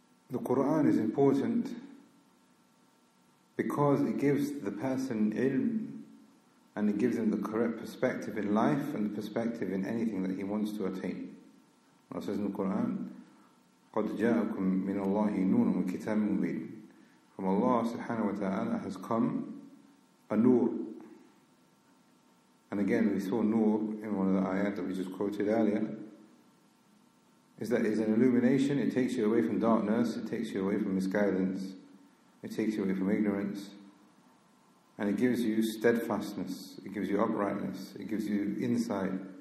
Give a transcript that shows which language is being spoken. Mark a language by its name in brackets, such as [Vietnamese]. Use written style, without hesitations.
[English] The Qur'an is important because it gives the person ilm, and it gives him the correct perspective in life and the perspective in anything that he wants to attain. Allah says in the Qur'an, [Arabic] قَدْ جَاءَكُمْ مِنَ اللَّهِ نُورٌ وَكِتَابٌ مُبِينٌ. [English] From Allah subhanahu wa ta'ala has come a nur. And again, we saw nur in one of the ayat that we just quoted earlier. Is that it's an illumination, it takes you away from darkness, it takes you away from misguidance, it takes you away from ignorance, and it gives you steadfastness, it gives you uprightness, it gives you insight.